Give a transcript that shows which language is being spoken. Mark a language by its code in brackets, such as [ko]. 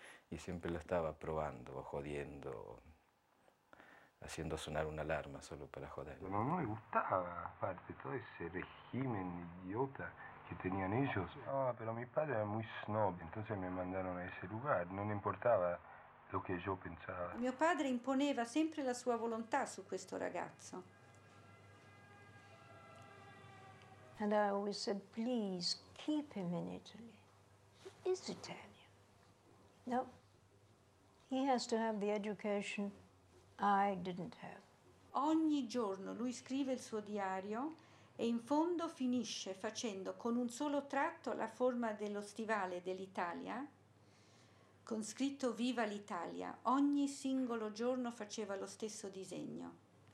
[es] Y siempre lo estaba probando, o jodiendo, o haciendo sonar una alarma solo para joder. No, no me gustaba, aparte, todo ese régimen idiota que tenían ellos. Ah, oh, pero mi padre era muy snob, entonces me mandaron a ese lugar. No le importaba lo que yo pensaba. [it] Mio padre imponeva sempre la sua volontà su questo ragazzo. [en] And I always said, please, keep him in Italy. He is Italian. No, he has to have the education I didn't have. [it] Ogni giorno lui scrive il suo diario e in fondo finisce facendo con un solo tratto la forma dello stivale dell'Italia con scritto Viva l'Italia. Ogni singolo giorno faceva lo stesso disegno.